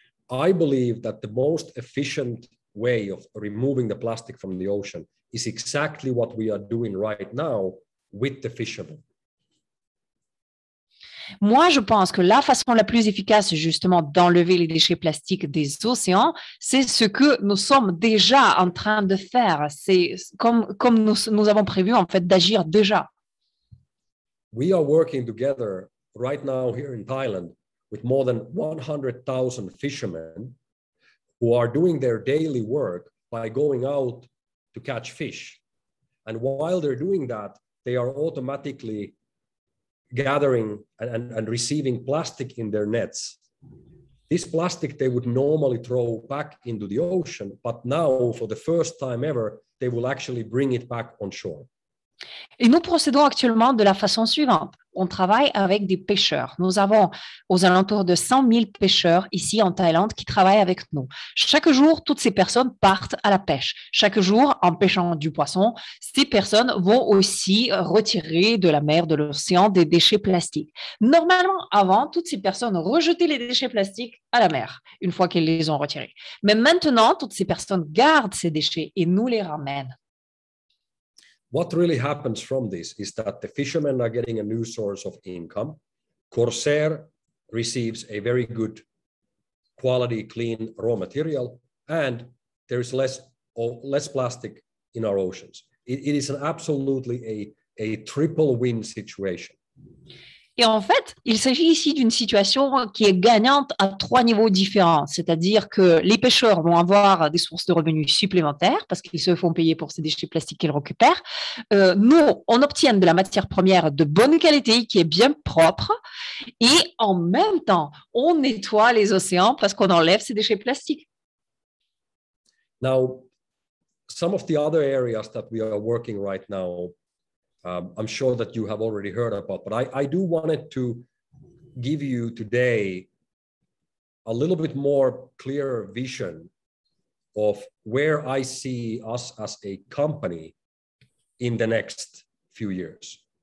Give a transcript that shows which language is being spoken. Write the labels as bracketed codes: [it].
[en] I believe that the most efficient way of removing the plastic from the ocean is exactly what we are doing right now with the fishermen. [fr] Moi, je pense que la façon la plus efficace, justement, d'enlever les déchets plastiques des océans, c'est ce que nous sommes déjà en train de faire. C'est comme nous avons prévu, en fait, d'agir déjà. [en] We are working together right now here in Thailand with more than 100,000 fishermen who are doing their daily work by going out to catch fish. And while they're doing that, they are automatically gathering and receiving plastic in their nets. This plastic they would normally throw back into the ocean, but now, for the first time ever, they will actually bring it back on shore. [fr] Et nous procédons actuellement de la façon suivante. On travaille avec des pêcheurs. Nous avons aux alentours de 100 000 pêcheurs ici en Thaïlande qui travaillent avec nous. Chaque jour, toutes ces personnes partent à la pêche. Chaque jour, en pêchant du poisson, ces personnes vont aussi retirer de la mer, de l'océan, des déchets plastiques. Normalement, avant, toutes ces personnes rejetaient les déchets plastiques à la mer une fois qu'elles les ont retirés. Mais maintenant, toutes ces personnes gardent ces déchets et nous les ramènent. [en] What really happens from this is that the fishermen are getting a new source of income. Corsair receives a very good quality, clean raw material, and there is less plastic in our oceans. It is an absolutely a triple win situation. [fr] Et en fait, il s'agit ici d'une situation qui est gagnante à trois niveaux différents, c'est-à-dire que les pêcheurs vont avoir des sources de revenus supplémentaires parce qu'ils se font payer pour ces déchets plastiques qu'ils récupèrent. Nous, on obtient de la matière première de bonne qualité qui est bien propre et en même temps, on nettoie les océans parce qu'on enlève ces déchets plastiques. [en] Now, some of the other areas that we are working right now, I'm sure that you have already heard about, but I do wanted to give you today a little bit more clearer vision of where I see us as a company in the next few years.